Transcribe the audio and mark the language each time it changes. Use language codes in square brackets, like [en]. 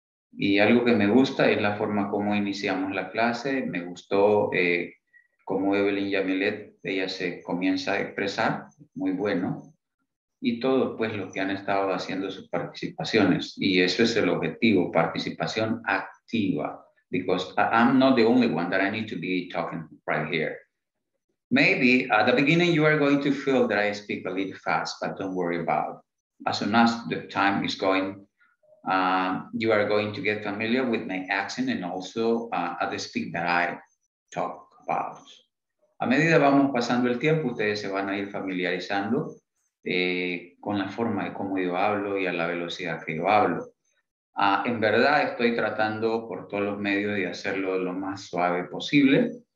[es] Y algo que me gusta es la forma como iniciamos la clase. Me gustó cómo Evelyn Yamilet, ella se comienza a expresar. Muy bueno. Y todo, pues, lo que han estado haciendo sus participaciones. Y eso es el objetivo, participación activa. [en] Because I'm not the only one that I need to be talking right here. Maybe at the beginning you are going to feel that I speak a little fast, but don't worry about it. As soon as the time is going, you are going to get familiar with my accent and also the speed that I talk about. [es] A medida vamos pasando el tiempo, ustedes se van a ir familiarizando con la forma de cómo yo hablo y a la velocidad que yo hablo. En verdad estoy tratando por todos los medios de hacerlo lo más suave posible.